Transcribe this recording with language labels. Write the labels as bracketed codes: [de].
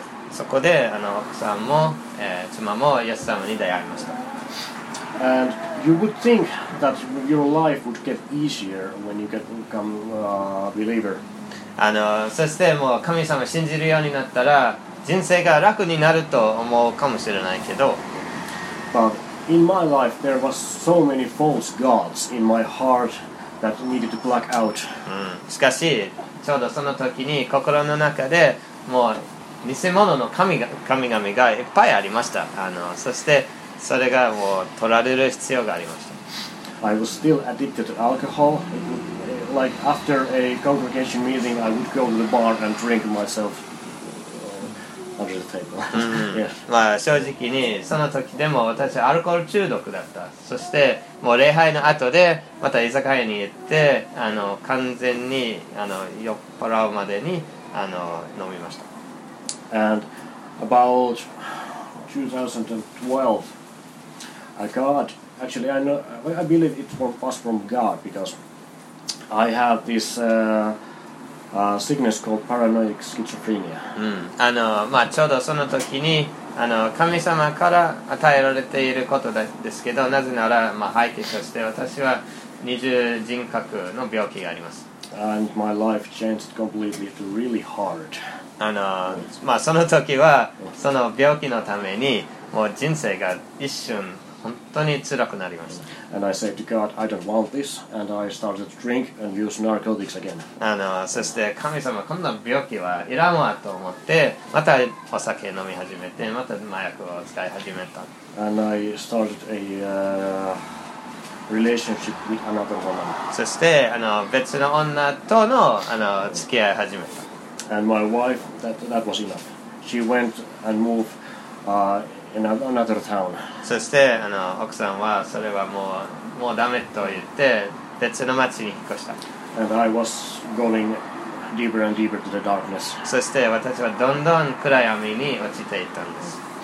[ja] そこで奥さんも、妻もイエス様に出会いました。 [en] And you would think that your life would get easier when you become a believer. [ja] そしてもう神様を信じるようになったら人生が楽になると思うかもしれないけど、しかしちょうどその時に心の中でもう偽物の神々がいっぱいありました。そしてそれがもう取られる必要がありました。 [en] I was still addicted to alcohol. Like after a congregation meeting, I would go to the bar and drink myself under the table. Yeah. [ja] 正直にその時でも私はアルコール中毒だった。そしてもう礼拝の後でまた居酒屋に行って完全に酔っ払うまでに飲みました。 [en] And about 2012, I got. Actually, I believe it was from God because I have this sickness called paranoid schizophrenia. [ja] ちょうどその時に神様から与えられていることですけど、なぜなら背景として私は二重人格の病気があります。 [en] And my life changed completely to really hard. [ja] その時はその病気のためにもう人生が一瞬本当に辛くなりました。 [en] And I said to God, I don't want this, and I started to drink and use narcotics again. [ja] そして神様、こんな病気はいらんわと思って、またお酒飲み始めて、また麻薬を使い始めた。 [en] And I started a relationship with another woman. [ja] そして別の女との付き合い始めた。 [en] And my wife, that was enough. She went and moved in another town. [ja] そして奥さんはそれはもうダメと言って別の町に引っ越した。 [en] And I was going deeper and deeper to the darkness. [ja] そして私はどんどん暗闇に落ちていったんです。